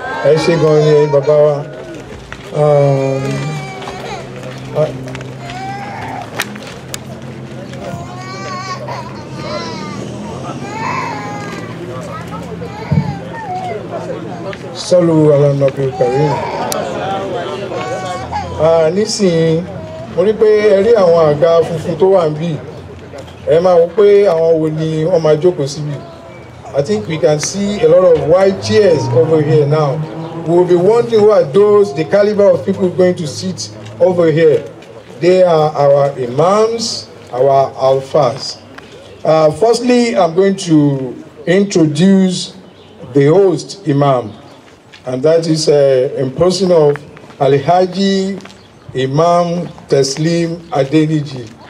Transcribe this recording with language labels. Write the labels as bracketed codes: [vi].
[ar] ايش يقول يا بابا؟ صلوا على النبي الكريم. [yo] Nísìnyí, mo ní pé ẹ rí àwọn àga funfun tó wà ń bì, ẹ máa wọ pé àwọn wo ni wọ́n máa jókòó síbi. [en] I think we can see a lot of white chairs over here now. We will be wondering who are those, the caliber of people going to sit over here. They are our imams, our alphas. Firstly, I'm going to introduce the host imam, and that is in person of Alhaji Imam Teslim Adeniji.